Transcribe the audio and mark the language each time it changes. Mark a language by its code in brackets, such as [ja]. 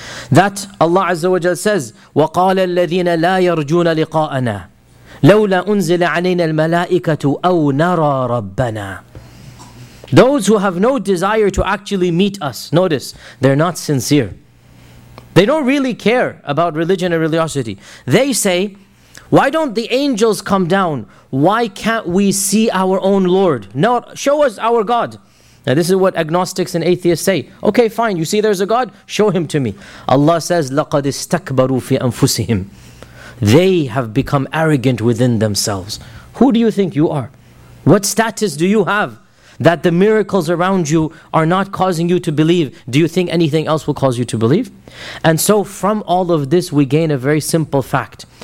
[en] That Allah Azza wa Jal says, [ar] وَقَالَ الَّذِينَ لَا يَرْجُونَ لِقَاءَنَا لَوْلَا أُنزِلَ عَلَيْنَا الْمَلَائِكَةُ أَوْ نَرَى رَبَّنَا. [en] Those who have no desire to actually meet us, notice, they're not sincere. They don't really care about religion and religiosity. They say, why don't the angels come down? Why can't we see our own Lord? No, show us our God. Now this is what agnostics and atheists say. Okay, fine, you see there's a God? Show Him to me. Allah says, [ar] لَقَدِ اسْتَكْبَرُوا فِي أَنفُسِهِمْ. [en] They have become arrogant within themselves. Who do you think you are? What status do you have that the miracles around you are not causing you to believe? Do you think anything else will cause you to believe? And so from all of this, we gain a very simple fact.